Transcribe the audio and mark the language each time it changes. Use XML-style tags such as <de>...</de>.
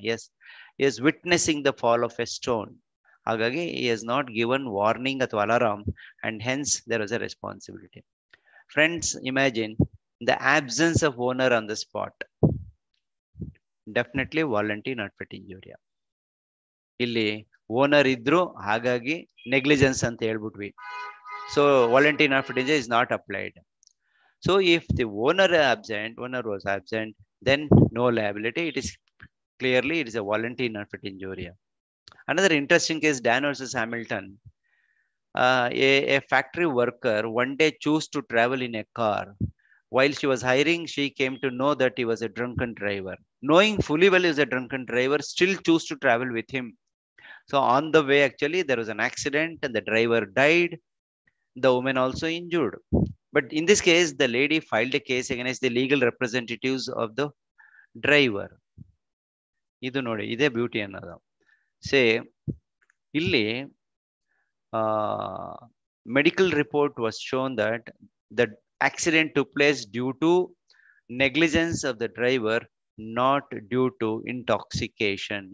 <en>Yes, he is witnessing the fall of a stone. Hagagi he has not given warning athwa alarm, and hence there was a responsibility. Friends, imagine the absence of owner on the spot, definitely voluntary not fit injury.</en> <kn>ಇಲ್ಲಿ owner ಇದ್ರು ಹಾಗಾಗಿ negligence ಅಂತ ಹೇಳ್ಬಿಟ್ವಿ.</kn> <en>So volunteer not fit injury is not applied. So if the owner absent owner was absent then no liability. It is clearly it is a volunteer not fit injuria. Another interesting case Dann versus Hamilton. A factory worker one day choose to travel in a car while she was hiring she came to know that he was a drunken driver. Knowing fully well is a drunken driver still choose to travel with him. So on the way, actually, there was an accident and the driver died. The woman also injured. But in this case, the lady filed a case against the legal representatives of the driver.</en> <kn>Idu nodi ide</kn> <en>beauty annada. Say, illi medical report was shown that the accident took place due to negligence of the driver, not due to intoxication.</en>